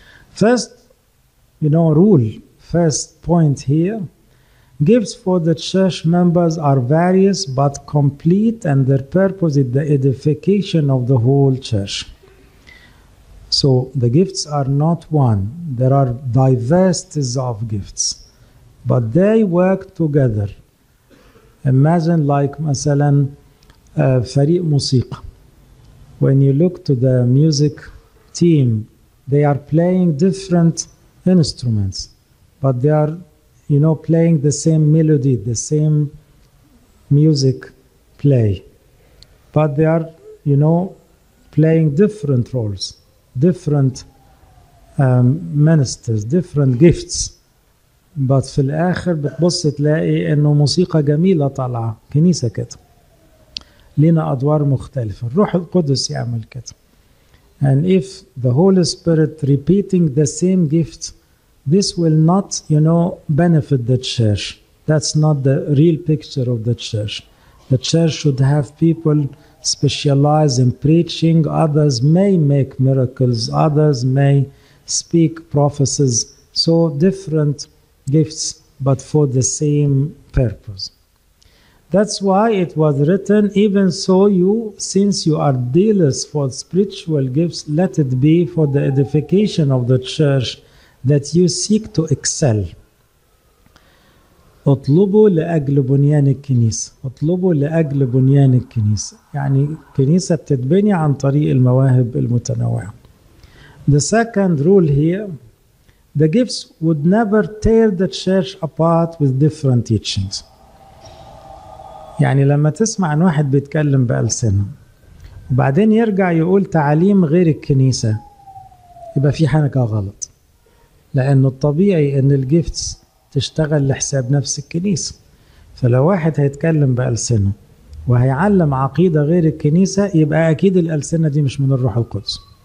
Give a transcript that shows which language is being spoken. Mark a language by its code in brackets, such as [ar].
[en] First, you know, rule, first point here, gifts for the church members are various but complete, and their purpose is the edification of the whole church. So the gifts are not one. There are diversities of gifts, but they work together. Imagine like, [ar] مثلاً, فريق موسيقى. [en] When you look to the music team, they are playing different instruments, but they are, you know, playing the same melody, the same music play. But they are, you know, playing different roles, different ministers, different gifts. [ar] But في الآخر بتبص تلاقي إنه موسيقى جميلة طالعة كنيسة كده. لنا أدوار مختلفة. الروح القدس يعمل كده. [en] And if the Holy Spirit repeating the same gift, this will not, you know, benefit the church. That's not the real picture of the church. The church should have people specialize in preaching. Others may make miracles. Others may speak prophecies. So different gifts, but for the same purpose. That's why it was written, even so you, since you are dealers for spiritual gifts, let it be for the edification of the church that you seek to excel. [ar] اطلبوا لأجل بنيان الكنيسة. اطلبوا لأجل بنيان الكنيسة. يعني كنيسة بتتبني عن طريق المواهب المتنوعة. [en] The second rule here, the gifts would never tear the church apart with different teachings. [ar] يعني لما تسمع عن واحد بيتكلم بألسنة وبعدين يرجع يقول تعاليم غير الكنيسة يبقى في حاجة غلط. لأن الطبيعي أن الجيفتس تشتغل لحساب نفس الكنيسة. فلو واحد هيتكلم بألسنة وهيعلم عقيدة غير الكنيسة يبقى أكيد الألسنة دي مش من الروح القدس.